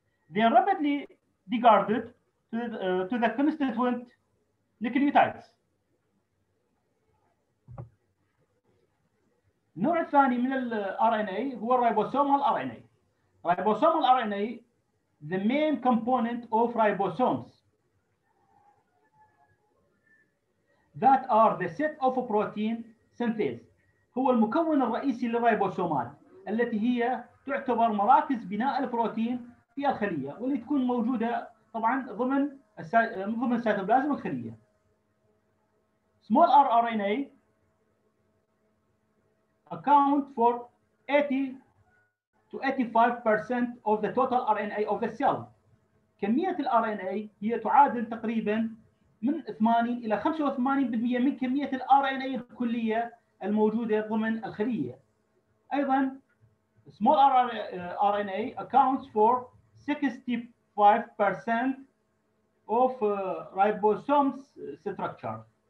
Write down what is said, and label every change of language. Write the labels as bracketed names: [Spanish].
[English] They are rapidly degraded to the constituent nucleotides. [Arabic] النوع الثاني من الـ RNA هو الريبوسومال RNA. [English] Ribosomal RNA the main component of ribosomes that are the set of protein synthase. [Arabic] هو المكون الرئيسي للريبوسومات التي هي تعتبر مراكز بناء البروتين في الخلية، واللي تكون موجودة طبعا ضمن السيتوبلازم الخلية. [English] Small rRNA account for 80 to 85% of the total RNA of the cell. [Arabic] كمية الـ RNA هي تعادل تقريبا من 80 إلى 85% من كمية الـ RNA الكلية الموجودة ضمن الخلية. [English] أيضا Small rRNA accounts for 65% of ribosomes structure.